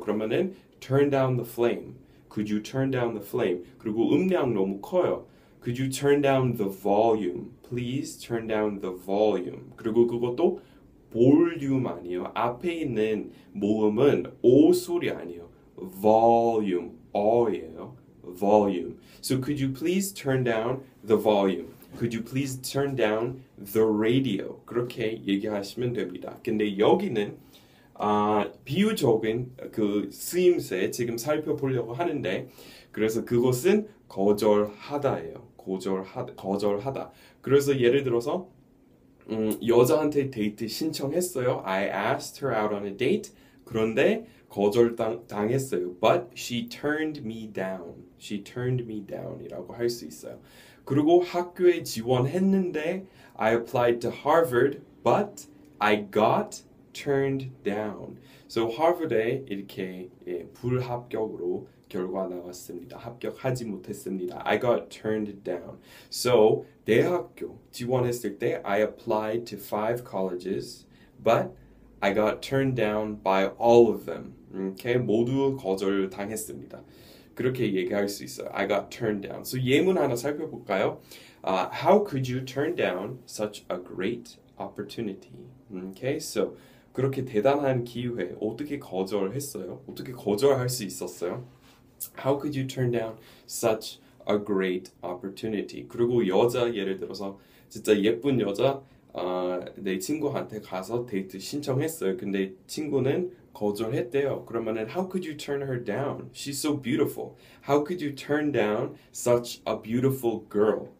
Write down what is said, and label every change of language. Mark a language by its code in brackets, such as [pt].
[ko] 그러면은 [en] turn down the flame. could you turn down the flame? [ko] 그리고 음량 너무 커요. [en] could you turn down the volume? please turn down the volume. [ko] 그리고 그것도 볼륨 아니에요. 앞에 있는 모음은 오 소리 아니에요. volume, 어예요. volume. [en] So could you please turn down the volume? Could you please turn down the radio? [ko] 그렇게 얘기하시면 됩니다. 근데 여기는 비유적인 그 쓰임새 지금 살펴보려고 하는데, 그래서 그것은 거절하다예요. 거절하다. 그래서 예를 들어서 여자한테 데이트 신청했어요. [en] I asked her out on a date. [ko] 그런데 거절당했어요. [en] But she turned me down. She turned me down이라고 [ko] 할수 있어요. 그리고 학교에 지원했는데 [en] I applied to Harvard, but I got turned down. [ko] So Harvard에 이렇게 예, 불합격으로 결과 나왔습니다. 합격하지 못했습니다. [en] I got turned down. So, [ko] 대학교 지원했을 때 [en] I applied to five colleges, but I got turned down by all of them. Okay? [ko] 모두 거절 당했습니다. 그렇게 얘기할 수 있어요. [en] I got turned down. [ko] So, 예문 하나 살펴볼까요? [en] How could you turn down such a great opportunity? Okay? [ko] So, 그렇게 대단한 기회 어떻게 거절했어요? 어떻게 거절할 수 있었어요? [en] How could you turn down such a great opportunity? [ko] 그리고 여자 예를 들어서 진짜 예쁜 여자 내 친구한테 가서 데이트 신청했어요. 근데 친구는 거절했대요. [en] 그러면은 How could you turn her down? She's so beautiful. How could you turn down such a beautiful girl?